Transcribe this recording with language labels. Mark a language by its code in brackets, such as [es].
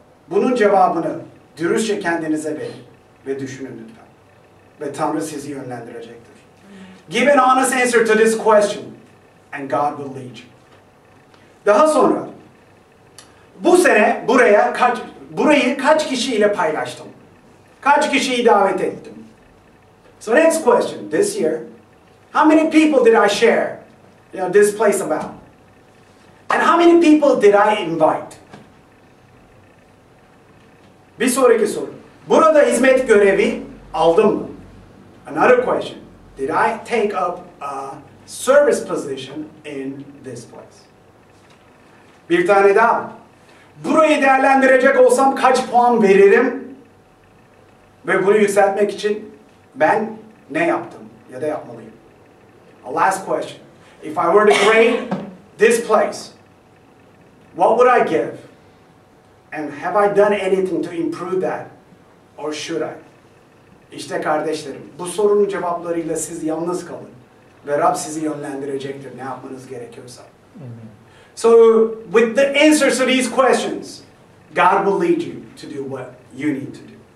[tr] Bunun cevabını dürüstçe kendinize verin ve düşünün lütfen. Ve Tanrı sizi yönlendirecektir. [en] Give an honest answer to this question and God will lead you. [tr] Daha sonra bu sene burayı kaç kişiyle paylaştım? Kaç kişiyi davet ettim? [en] So next question, this year, how many people did I share, this place about? And how many people did I invite? [tr] Bir sonraki soru. Burada hizmet görevi aldım mı? [en] Another question. Did I take up a service position in this place? [tr] Bir tane daha. Burayı değerlendirecek olsam kaç puan veririm? Ve bunu yükseltmek için ben ne yaptım ya da yapmalıyım? [en] A last question. If I were to grade this place, what would I give? And have I done anything to improve that? Or should I? [tr] İşte kardeşlerim, bu sorunun cevaplarıyla siz yalnız kalın. Ve Rab sizi yönlendirecektir ne yapmanız gerekiyorsa. So, with the answers to these questions, God will lead you to do what you need to do.